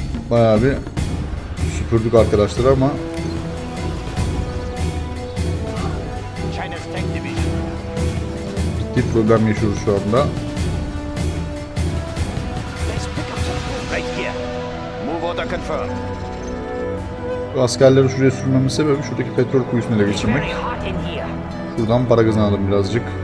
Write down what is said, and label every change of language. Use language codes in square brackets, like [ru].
[tr] Bayağı bir süpürdük arkadaşlar ama. [en] China's tank division. [tr] Ciddi problem yaşıyoruz şu anda. [en] Let's pick up some right here. Move order confirmed. [tr] Bu askerleri şuraya sürmemin sebebi şuradaki petrol kuyusunu ele geçirmek. Şuradan para kazanalım birazcık.